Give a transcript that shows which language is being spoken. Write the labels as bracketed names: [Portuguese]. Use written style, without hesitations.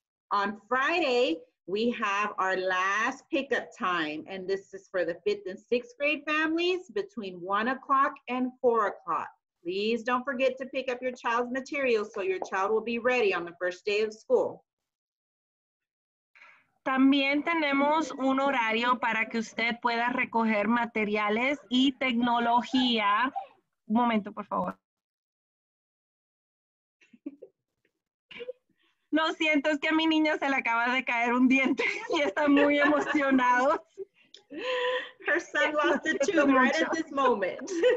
[English] On Friday, we have our last pickup time, and this is for the fifth and sixth grade families between 1 o'clock and 4 o'clock. Please don't forget to pick up your child's materials so your child will be ready on the first day of school. [Spanish] También tenemos un horario para que usted pueda recoger materiales y tecnología. Un momento, por favor. Lo siento, es que a mi niño se le acaba de caer un diente y está muy emocionado. [English] Her son lost a tooth right at this moment.